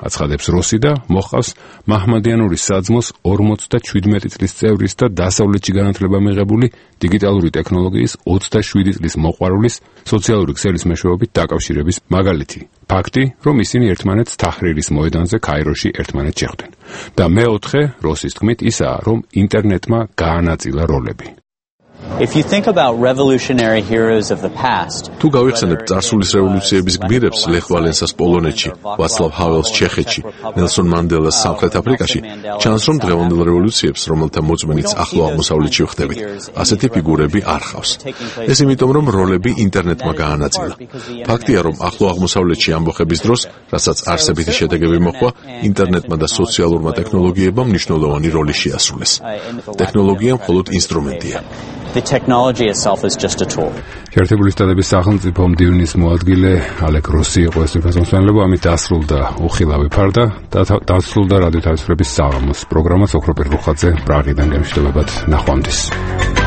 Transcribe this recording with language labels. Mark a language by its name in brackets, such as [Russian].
[Georgian] აცხადებს როსი და მოჰყავს მაჰმადიანური საძმოს 57 წლის წევრის და დასავლეთში განათლება მიღებული დიგიტალური ტექნოლოგიის 27 წლის მოყვარულის სოციალური ქსელის მეშვეობით დაკავშირების მაგალითი. ფაქტი, რომ ისინი ერთმანეთს თაჰრირის მოედანზე ქაიროში ერთმანეთს შეხვდნენ. და მეოთხე, როსის თქმით, ისაა, რომ ინტერნეტმა გაანაწილა როლები. [English] If you think about revolutionary heroes of the past, [Georgian] თუ გავიხსენებთ წარსულის რევოლუციების გმირებს, ლეხ ვალენსას პოლონეთში, ვაცლავ ჰაველს ჩეხეთში, ნელსონ მანდელას სამხრეთ აფრიკაში, ჩანს რომ დღევანდელ რევოლუციებს, რომელთა მოძმენიც ახლო აღმოსავლეთში ხდებით, ასეთი ფიგურები არ ხავს. ეს იმიტომ რომ როლები ინტერნეტმა გაანაწილა. ფაქტია რომ ახლო აღმოსავლეთში ამბოხების დროს, რასაც არსებითი შედეგები მოჰყვა, ინტერნეტმა და სოციალურმა ტექნოლოგიებმა მნიშვნელოვანი როლი შეასრულეს. ტექნოლოგია მხოლოდ ინსტრუმენტია. [English] The technology itself is just a tool. [Georgian] შეერთებული შტატების სახელმწიფო მდივნის მოადგილე ალეკ როსი იყო ეს ფასონსმენელი, ამით დასრულდა უხილავი ფარდა და დასრულდა რადიო თავისუფლების საღამოს პროგრამა. ოქროპირ რუხაძე პრაღიდან გამშვიდობებით ნახვამდის.